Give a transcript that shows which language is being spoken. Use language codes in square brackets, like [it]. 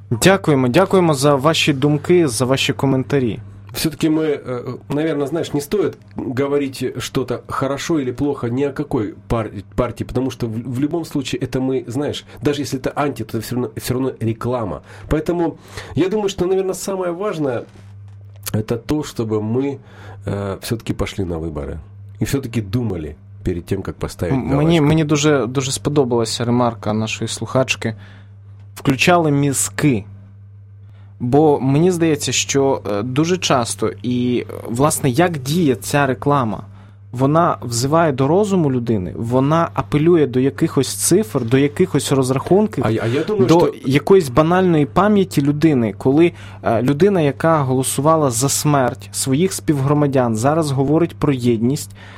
[uk] Дякуємо, дякуємо за ваші думки, за ваші коментарі. [ru] Все-таки мы, наверное, знаешь, не стоит говорить что-то хорошо или плохо ни о какой партии, потому что в любом случае это мы, знаешь, даже если это анти, то это все равно реклама. Поэтому я думаю, что, наверное, самое важное это то, чтобы мы все-таки пошли на выборы и все-таки думали перед тем, как поставить галочку. [uk] Мені дуже, дуже сподобалася ремарка нашої слухачки. Включали мізки. Бо мені здається, що дуже часто і, власне, як діє ця реклама, вона взиває до розуму людини, вона апелює до якихось цифр, до якихось розрахунків, якоїсь банальної пам'яті людини, коли людина, яка голосувала за смерть своїх співгромадян, зараз говорить про єдність.